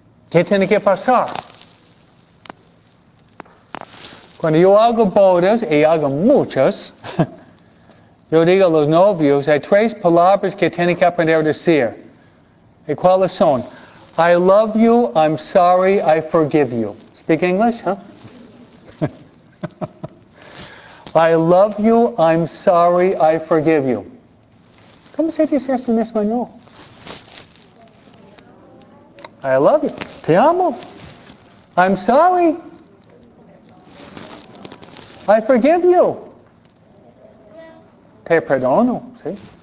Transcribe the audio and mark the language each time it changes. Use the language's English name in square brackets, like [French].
[Spanish] ¿Qué tiene que pasar? Cuando yo hago bodas, y hago muchas, yo digo a los novios, hay tres palabras que tienen que aprender a decir. ¿Y cuáles son? [English] I love you, I'm sorry, I forgive you. Speak English, huh? I love you, I'm sorry, I forgive you. [Spanish] ¿Cómo se dice esto en español? [English] I love you. [Spanish] Te amo. [English] I'm sorry. I forgive you. [Spanish] Te perdono, ¿sí?